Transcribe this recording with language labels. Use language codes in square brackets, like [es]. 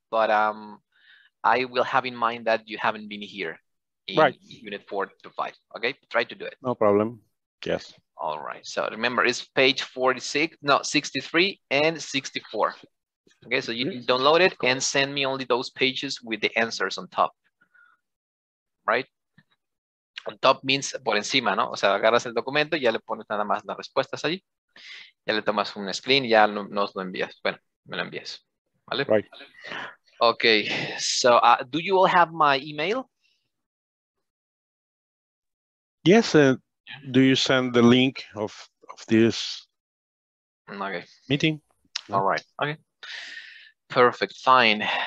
[en] But I will have in mind that you haven't been here in unit 4 to 5, okay? Try to do it. No problem. Yes. All right. So remember, it's page 63 and 64. Okay, so you can download it and send me only those pages with the answers on top, right? On top means [es] por encima, ¿no? O sea, agarras el documento y ya le pones nada más las respuestas allí. Ya le tomas un screen y ya nos lo envías. Bueno, me lo envías, ¿vale? [en] Right. Okay, so do you all have my email? Yes, do you send the link of this meeting? No. All right, okay. Perfect, fine.